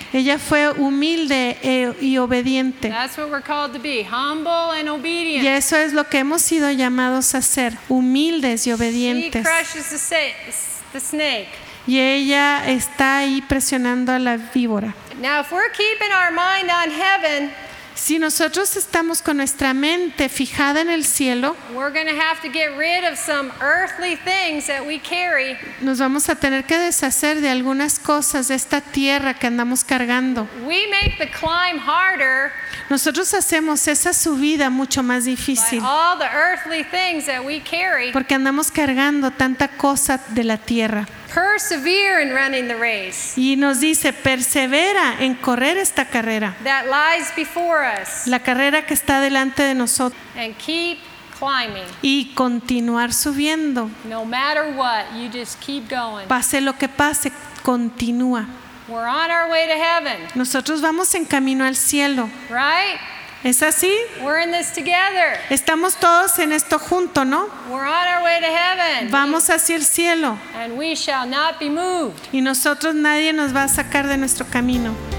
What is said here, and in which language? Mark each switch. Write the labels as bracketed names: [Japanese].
[Spanish] Ella fue humilde y obediente. [English] That's what we're called to be, humble and obedient. [Spanish] Y eso es lo que hemos sido llamados a ser, humildes y obedientes. [English] She crushes the snake. [Spanish] Y ella está ahí presionando a la víbora. [English] Now, if we're keeping our mind on heaven, [Spanish] si nosotros estamos con nuestra mente fijada en el cielo, [English] we're going to have to get rid of some earthly things that we carry. [Spanish] Nos vamos a tener que deshacer de algunas cosas de esta tierra que andamos cargando. [English] We make the climb harder. [Spanish] Nosotros hacemos esa subida mucho más difícil. [English] By all the earthly things that we carry. [Spanish] Porque andamos cargando tanta cosa de la tierra. [English] Persevere in running the race. [Spanish] Y nos dice, persevera en correr esta carrera. [English] That lies before us. [Spanish] La carrera que está delante de nosotros. [English] And keep climbing. [Spanish] Y continuar subiendo. [English] No matter what, you just keep going. [Spanish] Pase lo que pase, continúa. [English] We're on our way to heaven. [Spanish] Nosotros vamos en camino al cielo. [English] Right? [Spanish] ¿Es así? [English] We're in this together. [Spanish] Estamos todos en esto junto, ¿no? [English] We're on our way to heaven. [Spanish] Vamos hacia el cielo. [English] And we shall not be moved. [Spanish] Y nosotros nadie nos va a sacar de nuestro camino.